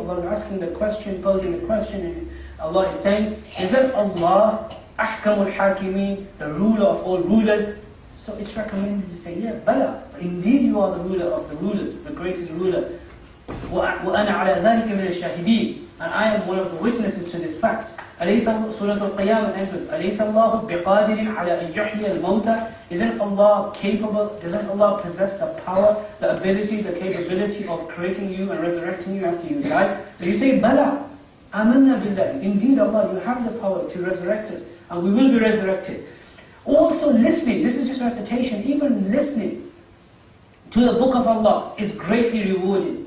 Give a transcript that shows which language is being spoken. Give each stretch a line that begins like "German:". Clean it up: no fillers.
English: Allah is asking the question, posing the question, and Allah is saying, isn't Allah أحكم الحاكمين, the ruler of all rulers? So it's recommended to say, yeah, bala, indeed you are the ruler of the rulers, the greatest ruler.
Arabic: وَأَنَا عَلَى ذَلِكَ مِنَ الشَّاهِدِينَ.
English: And I am one of the witnesses to this fact.
Arabic: أليس سورة القيامة ends with, أليس الله بقادر على أن يحيي الموتى.
English: Isn't Allah capable, doesn't Allah possess the power, the ability, the capability of creating you and resurrecting you after you die? So you say, bala, آمَنَّا بِاللَّهِ. Indeed Allah, you have the power to resurrect us, and we will be resurrected. Also listening, this is just recitation, even listening to the book of Allah is greatly rewarded.